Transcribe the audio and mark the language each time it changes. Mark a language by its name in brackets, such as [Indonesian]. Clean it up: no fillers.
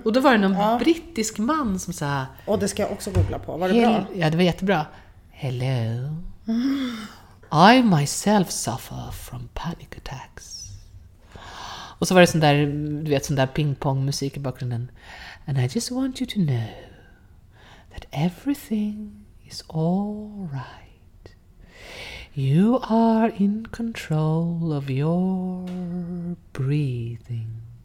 [Swedish] Och då var det någon brittisk man som sa, och det ska jag också googla på, var det bra? Ja, det var jättebra. Hello. [English] I myself suffer from panic attacks. [Swedish] Och så var det sån där, du vet, sån där pingpong musik i bakgrunden. [English] And I just want you to know that everything is all right. You are in control of your breathing.